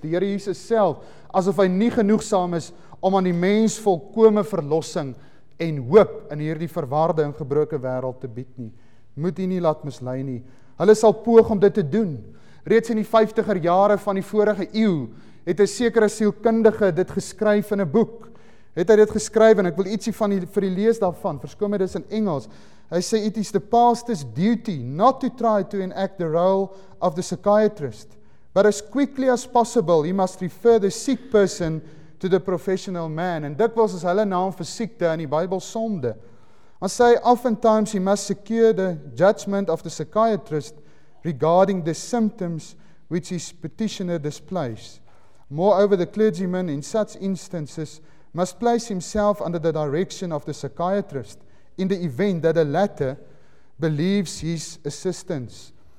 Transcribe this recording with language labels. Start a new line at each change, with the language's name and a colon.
Afrikaans: Die Here Jesus self, asof hy nie genoegsaam is om aan die mens volkome verlossing en hoop in hierdie verwarde en gebroke wêreld te bied nie. Moet u nie laat mislei nie. Hulle sal poog om dit te doen. Reeds in die 50er jare van die vorige eeu het 'n sekere sielkundige dit geskryf in 'n boek. Het hy dit geskryf en ek wil ietsie van die, vir die lees daarvan. Verskoon my, dis in Engels. Hy sê,
English: it is the pastor's duty not to try to enact the role of the psychiatrist, but as quickly as possible he must refer the sick person to the professional man.
Afrikaans: En dikwels is hulle naam vir siekte in die Bybel sonde. Maar sê hy,
English: oftentimes he must secure the judgment of the psychiatrist regarding the symptoms which his petitioner displays. Moreover, the clergyman in such instances must place himself under the direction of the psychiatrist in the event that the latter believes his assistance.